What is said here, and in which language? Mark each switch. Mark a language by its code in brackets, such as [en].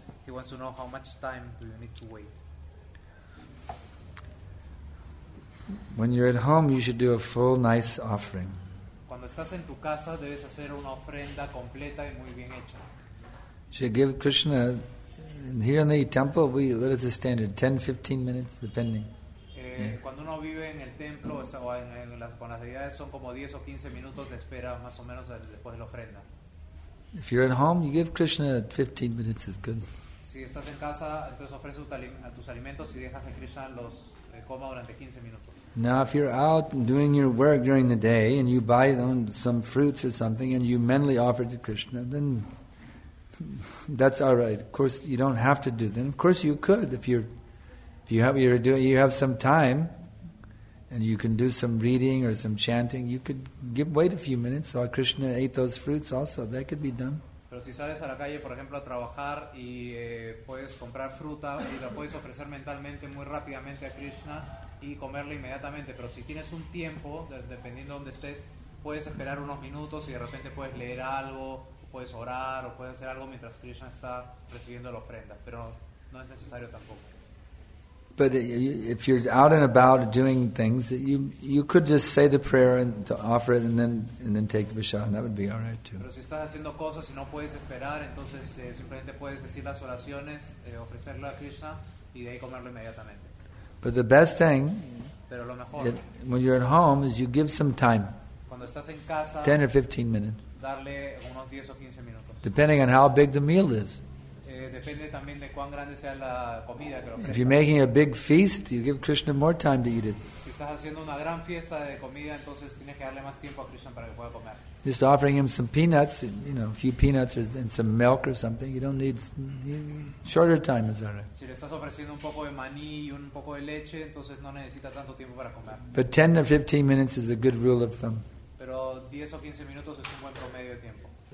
[en] He wants to know how much time do you need to wait. When you're at home, you should do a full, nice offering. [es] Cuando estás en tu casa, debes hacer una ofrenda completa y muy bien hecha. [en] Should give Krishna. And here in the temple, we let us stand at 10-15 minutes, depending. [es] Cuando uno vive en el templo, o en las con las deidades, son como 10 o 15 minutos de espera, más o menos, después de la ofrenda. [en] If you're at home, you give Krishna 15 minutes, is good. [es] Si estás en casa, entonces ofreces a tus alimentos y dejas que Krishna los coma durante 15 minutos. [en] Now, if you're out doing your work during the day, and you buy some fruits or something, and you mentally offer to Krishna, then... That's all right. Of course, you don't have to do that. Of course, you could if you have some time, and you can do some reading or some chanting. You could wait a few minutes while Krishna ate those fruits. Also, that could be done. [es] Pero si sales a la calle, por ejemplo, a trabajar y puedes comprar fruta y la puedes ofrecer mentalmente muy rápidamente a Krishna y comerla inmediatamente. Pero si tienes un tiempo, dependiendo donde estés, puedes esperar unos minutos y de repente puedes leer algo. Puedes orar o puedes hacer algo mientras Krishna está recibiendo la ofrenda, pero no es necesario tampoco. [en] But if you're out and about doing things, you could just say the prayer and to offer it and then take the prasadam. That would be all right too. [es] Pero si estás haciendo cosas y no puedes esperar, entonces simplemente puedes decir las oraciones, ofrecerlo a Krishna y de ahí comerlo inmediatamente. [en] But the best thing, [es] pero lo mejor, [en] when you're at home, is you give some time. [es] Cuando estás en casa, [en] 10 or 15 minutes. [es] Darle unos 10 o 15 minutos. [en] Depending on how big the meal is. [es] Depende también de cuán grande sea la comida que ofrezcas. [en] If you're making a big feast, you give Krishna more time to eat it. [es] Si estás haciendo una gran fiesta de comida, entonces tienes que darle más tiempo a Krishna para que pueda comer. [en] Just offering him some peanuts, you know, a few peanuts and some milk or something. You don't need shorter time, is that right? [es] Si le estás ofreciendo un poco de maní y un poco de leche, entonces no necesita tanto tiempo para comer. [en] But 10 or 15 minutes is a good rule of thumb. [es] Pero 10 o 15 minutos es un buen promedio de tiempo.